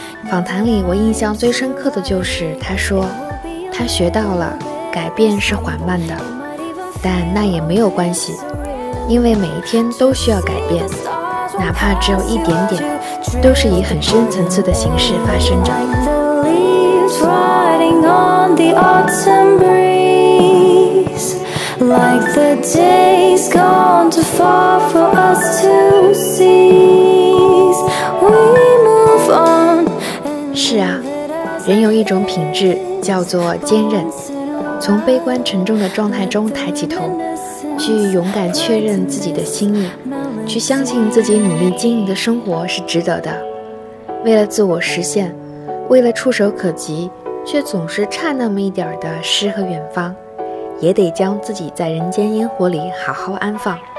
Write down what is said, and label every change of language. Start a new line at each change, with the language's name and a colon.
Chinese: 访谈里我印象最深刻的就是他说，他学到了改变是缓慢的，但那也没有关系，因为每一天都需要改变，哪怕只有一点点，都是以很深层次的形式发生着。
English: Riding on the autumn breeze, like the days gone too far for us to seize. We move on.
Chinese: 是啊，人有一种品质叫做坚韧，从悲观沉重的状态中抬起头，去勇敢确认自己的心意，去相信自己努力经营的生活是值得的。为了自我实现，为了触手可及，却总是差那么一点的诗和远方，也得将自己在人间烟火里好好安放。